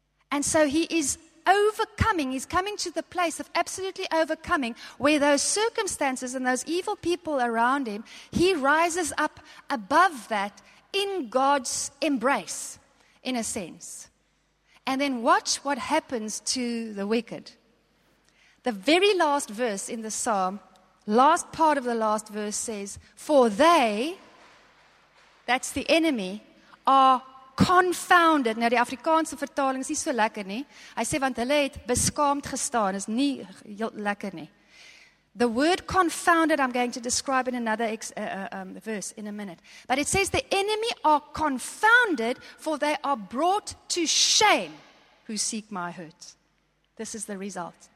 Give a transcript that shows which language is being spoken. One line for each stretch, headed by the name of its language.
English: And so he is overcoming. He's coming to the place of absolutely overcoming, where those circumstances and those evil people around him, he rises up above that in God's embrace, in a sense. And then watch what happens to the wicked. The very last verse in the psalm, last part of the last verse says, for they, that's the enemy, are confounded.
Afrikaans: Nou die Afrikaanse vertaling is nie so lekker nie. Hy sê want hulle het beskaamd gestaan. Is nie heel lekker nie.
English: The word confounded I'm going to describe in another verse in a minute. But it says the enemy are confounded, for they are brought to shame who seek my hurt. This is the result.